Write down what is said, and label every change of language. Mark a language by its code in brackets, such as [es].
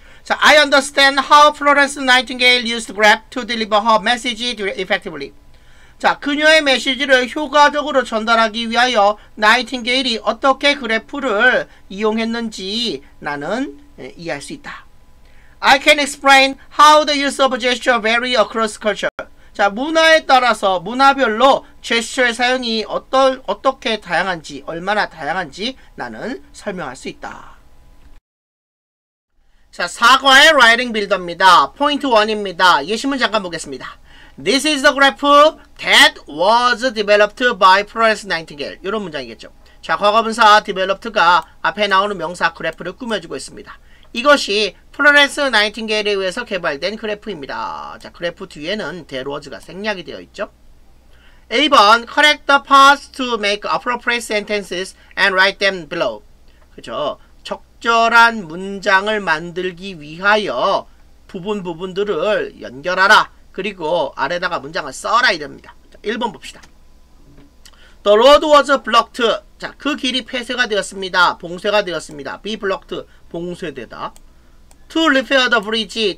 [en] 자, I understand how Florence Nightingale used grep to deliver her message effectively. [ko] 자, 그녀의 메시지를 효과적으로 전달하기 위하여 나이팅게일이 어떻게 그래프를 이용했는지 나는 이해할 수 있다. [en] I can explain how the use of gesture vary across culture. [ko] 자, 문화에 따라서 문화별로 제스처의 사용이 어떻게 다양한지, 얼마나 다양한지 나는 설명할 수 있다. 자, 사과의 라이팅 빌더입니다. 포인트 1입니다. 예시문 잠깐 보겠습니다. [en] This is the graph that was developed by Florence Nightingale. [ko] 이런 문장이겠죠. 자, 과거분사 developed가 앞에 나오는 명사 그래프를 꾸며주고 있습니다. 이것이 Florence Nightingale에 의해서 개발된 그래프입니다. 자, 그래프 뒤에는 that was가 생략이 되어 있죠. [en] A번, correct the parts to make appropriate sentences and write them below. [ko] 그죠? 적절한 문장을 만들기 위하여 부분 부분들을 연결하라. 그리고 아래다가 문장을 써라 이릅니다. 자, 1번 봅시다. [en] The road was blocked. [ko] 자, 그 길이 폐쇄가 되었습니다. 봉쇄가 되었습니다. [en] Be blocked. [ko] 봉쇄되다. [en] To repair the bridge.